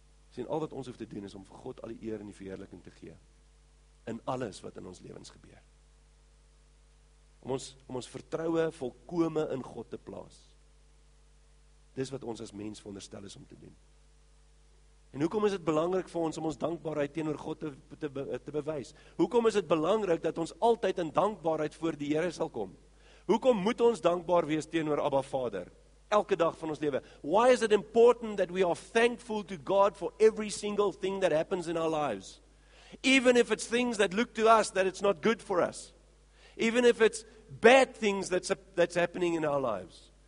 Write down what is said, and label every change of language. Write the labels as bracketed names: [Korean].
[Afrikaans] Sien, al wat ons hoef te doen is om vir God al die eer en die verheerliking te gee, in alles wat in ons lewens gebeur. Om ons vertroue volkome in God te plaas. Dis wat ons as mens veronderstel is om te doen. En hoekom is het belangrik vir ons om ons dankbaarheid teenoor God te bewys? Hoekom is het belangrik dat ons altyd in dankbaarheid voor die Here sal kom? Hoekom moet ons dankbaar wees teenoor Abba Vader? Elke dag van ons lewe. [English] Why is it important that we are thankful to God for every single thing that happens in our lives? Even if it's things that look to us that it's not good for us. Even if it's bad things that's happening in our lives.